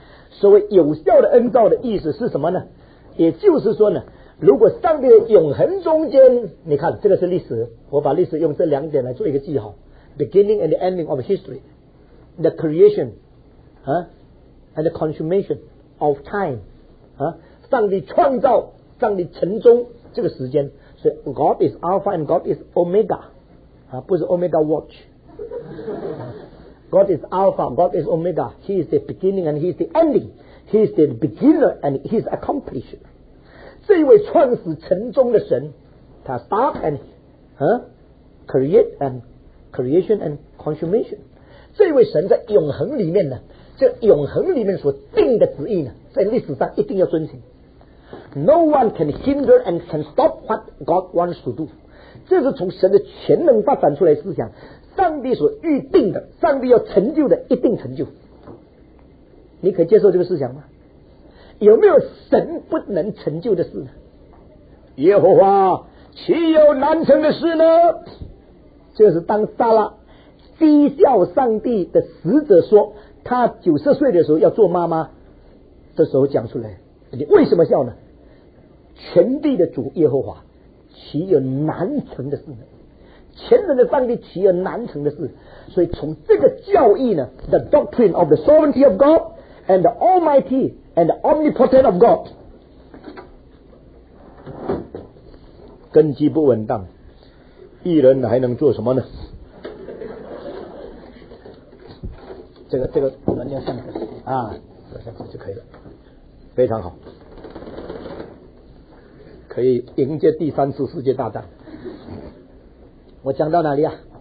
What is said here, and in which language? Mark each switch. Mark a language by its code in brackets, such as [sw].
[zh] 所谓有效的恩召的意思是什么呢？也就是说呢，如果上帝的永恒中间，你看这个是历史，我把历史用这两点来做一个记号， [en] beginning and the ending of history， the creation、and the consummation of time、 [zh] 上帝创造，上帝成终，这个时间是 [en] God is Alpha and God is Omega、 [zh] 不是 Omega Watch。 [en] God is Alpha, God is Omega, He is the beginning and He is the ending, He is the beginner and He is accomplished。 [zh] 这一位创始成终的神，他 [en] start and、create and creation and consummation。 [zh] 这一位神在永恒里面呢，这永恒里面所定的旨意呢，在历史上一定要遵循。 [en] No one can hinder and can stop what God wants to do。 [zh] 这是从神的全能发展出来的思想，上帝所预定的，上帝要成就的一定成就。你可以接受这个思想吗？有没有神不能成就的事呢？耶和华岂有难成的事呢？这是当撒拉讥笑上帝的使者说他90岁的时候要做妈妈这时候讲出来。你为什么笑呢？全地的主耶和华岂有难成的事呢？全能的上帝岂有难成的事？ [en] 所以从这个教义呢， The doctrine of the sovereignty of God and the almighty and the omnipotent of God [zh] 根基不稳当，一人还能做什么呢？这个我们要上课啊，这样子就可以了，非常好，可以迎接第三次世界大战。我讲到哪里啊？